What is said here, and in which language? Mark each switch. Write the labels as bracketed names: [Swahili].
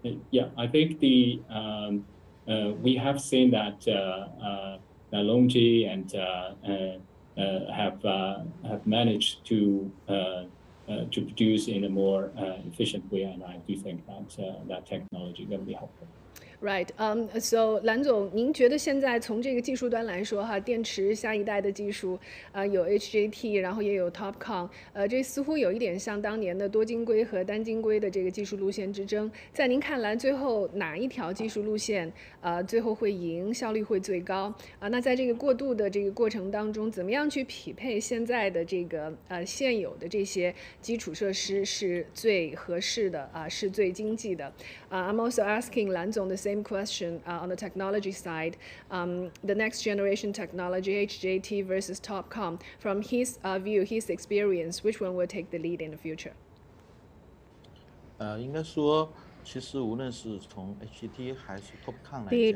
[English] Yeah, I think the we have seen that Longji and have managed to produce in a more efficient way, and I do think that that technology can be helpful. Right. [Chinese] So, 蓝总，您觉得现在从这个技术端来说，哈，电池下一代的技术，有 HJT， 然后也有 TOPCon， 这似乎有一点像当年的多晶硅和单晶硅的这个技术路线之争。在您看来，最后哪一条技术路线，最后会赢，效率会最高？那在这个过渡的这个过程当中，怎么样去匹配现在的这个现有的这些基础设施是最合适的，是最经济的？ [English] I'm also asking 蓝总的。Same question on the technology side. The next generation technology, HJT versus TOPCon, from his view, his experience, which one will take the lead in the future? [Chinese] 应该说，其实无论是从 HJT 还是 TOPCon 来